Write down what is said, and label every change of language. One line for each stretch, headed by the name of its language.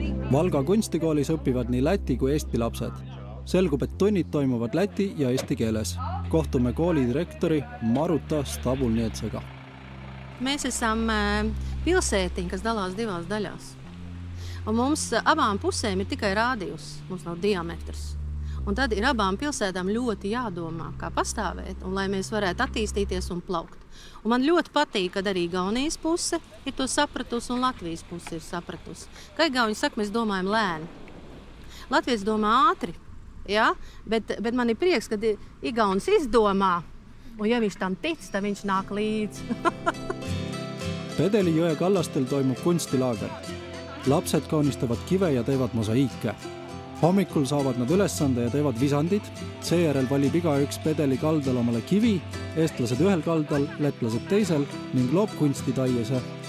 Estonian: Valga kunstikoolis õpivad nii Läti kui Eesti lapsed. Selgub, et tunnid toimuvad Läti ja Eesti keeles. Kohtume kooli direktori Maruta Stabulnietsega.
Latvian: Mēs esam pilsētiņ, kas dalās divās daļās. Un mums abām pusēm ir tikai rādījus, mums nav diametrs. Un tad ir abām pilsētām ļoti jādomā, kā pastāvēt, un lai mēs varētu attīstīties un plaukt. Un man ļoti patīk, kad arī Igaunijas puse ir to sapratusi un Latvijas puse ir sapratusi. Kā Igauņi saka, mēs domājam lēni. Latvijas domā ātri, ja? bet man ir prieks, kad Igaunis izdomā, un ja viņš tam tic, tad viņš nāk līdz.
Estonian: Pedeli jõe kallastel toimub kunstilaager. Lapsed kaunistavad kive ja teevad mosaiike. Hommikul saavad nad ülesande ja teevad visandid. Seejärel valib iga üks pedeli kaldal omale kivi, eestlased ühel kaldal, lätlased teisel ning loob kunsti taiese.